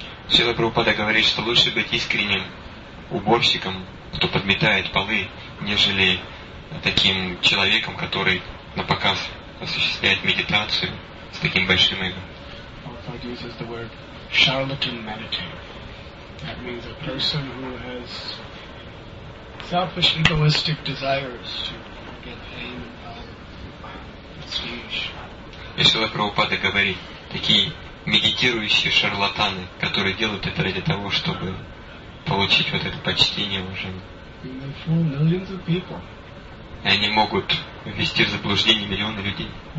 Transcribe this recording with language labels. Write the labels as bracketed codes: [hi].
[ru] Шрила Прабхупада говорит, что лучше быть искренним уборщиком, кто подметает полы, нежели таким человеком, который на показ осуществляет медитацию с таким большим эго. [en] Prabhupada uses the word charlatan meditator. That means a person who has selfish egoistic desires to get fame and power. [ru] Шрила Прабхупада говорит, такие медитирующие шарлатаны, которые делают это ради того, чтобы получить вот это почтение уже. И они могут ввести в заблуждение миллионы людей.